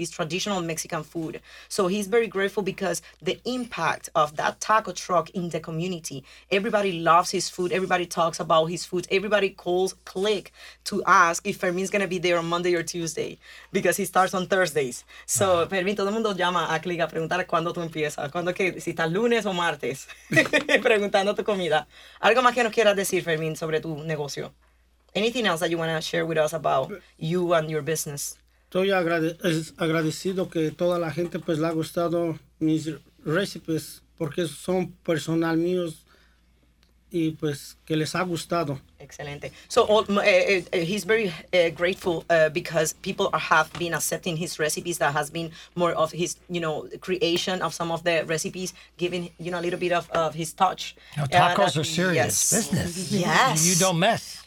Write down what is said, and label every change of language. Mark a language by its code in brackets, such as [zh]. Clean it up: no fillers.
[en] It's traditional Mexican food. So he's very grateful because the impact of that taco truck in the community, everybody loves his food. Everybody talks about his food. Everybody calls Click to ask if Fermín's going to be there on Monday or Tuesday because he starts on Thursdays. [es] So Fermín, todo el mundo llama a Click a preguntar cuando tú empiezas, cuando que si estás lunes o martes preguntando tu comida. Algo más que nos quieras decir, Fermín, sobre tu negocio. [en] Anything else that you want to share with us about you and your business? [es] Estoy agradecido que toda la gente pues le ha gustado mis recipes porque son personal míos y pues que les ha gustado. Excelente. [en] So he's very grateful because people have been accepting his recipes. That has been more of his, creation of some of the recipes, giving, a little bit of his touch. Now, tacos are serious business. Yes. You don't mess.